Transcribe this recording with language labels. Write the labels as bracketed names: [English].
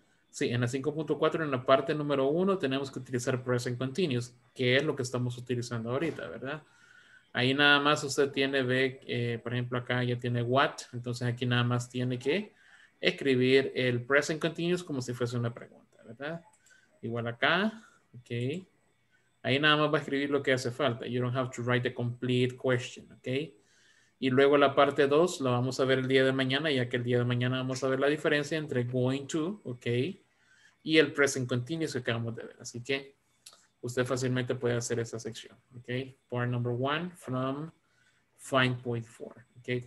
[Spanish] Sí, en la 5.4, en la parte número 1, tenemos que utilizar Present Continuous, que es lo que estamos utilizando ahorita, ¿verdad? Ahí nada más usted tiene, ve, por ejemplo, acá ya tiene what, entonces aquí nada más tiene que escribir el Present Continuous como si fuese una pregunta, ¿verdad? Igual acá, ok. Ahí nada más va a escribir lo que hace falta. [English] You don't have to write the complete question, ¿ok? [Spanish] Y luego la parte 2 la vamos a ver el día de mañana, ya que el día de mañana vamos a ver la diferencia entre going to, ¿ok? Y el present continuous que acabamos de ver. Así que usted fácilmente puede hacer esa sección, ¿ok? [English] Part number 1 from 5.4, ¿ok?